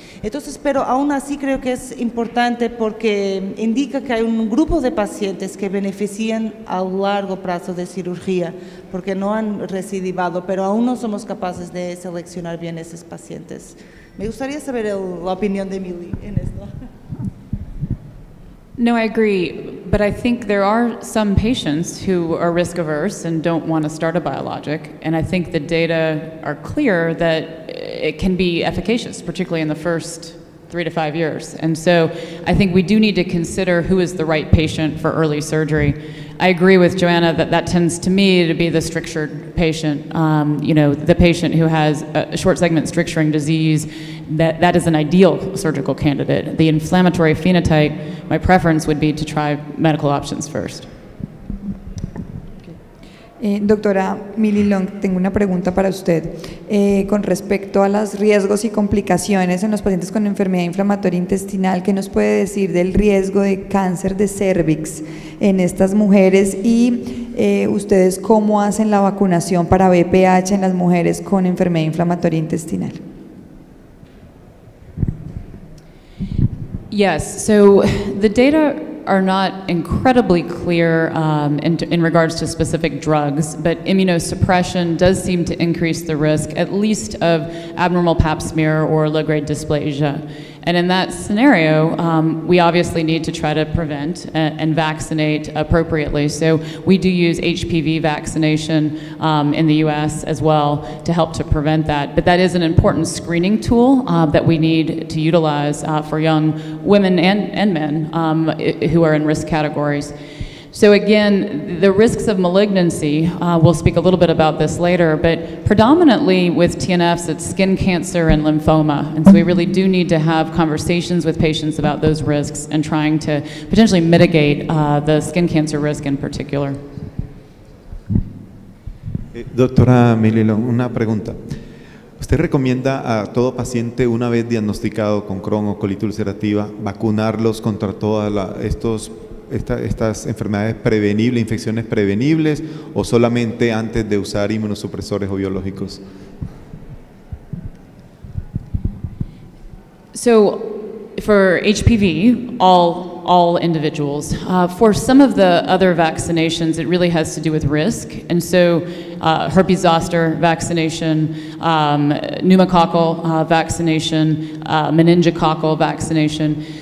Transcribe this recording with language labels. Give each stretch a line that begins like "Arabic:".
Spanish: Entonces, pero aún así creo que es importante porque indica que hay un grupo de pacientes que benefician a largo plazo de cirugía porque no han recidivado, pero aún no somos capaces de seleccionar bien esos pacientes. Me gustaría saber la opinión de Milly en esto.
English: No, I agree, but I think there are some patients who are risk averse and don't want to start a biologic, and I think the data are clear that it can be efficacious, particularly in the first 3 to 5 years. And so I think we do need to consider who is the right patient for early surgery. I agree with Joanna that that tends to me to be the strictured patient, you know, the patient who has a short segment stricturing disease, that is an ideal surgical candidate. The inflammatory phenotype, my preference would be to try medical options first.
Spanish: Doctora Milly Long, tengo una pregunta para usted. Con respecto a los riesgos y complicaciones en los pacientes con enfermedad inflamatoria intestinal, ¿qué nos puede decir del riesgo de cáncer de cérvix en estas mujeres? Y ustedes, ¿cómo hacen la vacunación para BPH en las mujeres con enfermedad inflamatoria intestinal?
English: Yes, so the data are not incredibly clear in regards to specific drugs, but immunosuppression does seem to increase the risk, at least of abnormal pap smear or low-grade dysplasia. And in that scenario, we obviously need to try to prevent and vaccinate appropriately. So we do use HPV vaccination in the US as well to help to prevent that. But that is an important screening tool that we need to utilize for young women and men who are in risk categories. So again, the risks of malignancy, we'll speak a little bit about this later, but predominantly with TNFs, it's skin cancer and lymphoma. And so we really do need to have conversations with patients about those risks and trying to potentially mitigate the skin cancer risk in particular.
Spanish: Doctora Milly Long, una pregunta. ¿Usted recomienda a todo paciente, una vez diagnosticado con Crohn o colitis ulcerativa, vacunarlos contra estas enfermedades prevenibles, infecciones prevenibles, o solamente antes de usar inmunosupresores o biológicos?
English: So, for HPV, all individuals. For some of the other vaccinations, it really has to do with risk. And so, herpes zoster vaccination, pneumococcal vaccination, meningococcal vaccination.